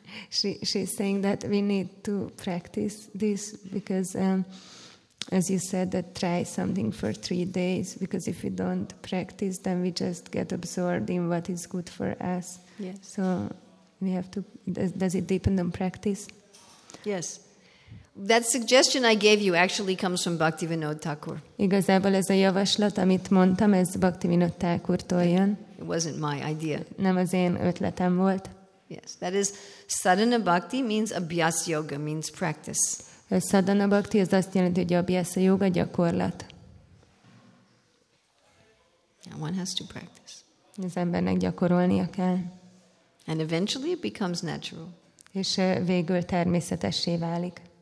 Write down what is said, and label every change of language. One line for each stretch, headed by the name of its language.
English: She's saying that we need to practice this because, as you said, that try something for 3 days, because if we don't practice, then we just get absorbed in what is good for us. Yes. So we have to, does it depend on practice? Yes. That suggestion I gave you actually comes from Bhaktivinoda Thakur.
Hungarian: Igazából ez a javaslat, amit mondtam, ez Bhaktivinoda Thakurtól jön.
English: It wasn't my idea.
Hungarian: Nem az én ötletem volt.
English: Yes, that is sadhana bhakti means abhyas yoga, means practice.
Hungarian: Sadhana bhakti az azt jelenti, hogy abhyas yoga, gyakorlat.
English: And one has to practice.
Hungarian: Az embernek gyakorolnia kell.
English: And eventually it becomes natural.
Hungarian: És végül természetessé válik.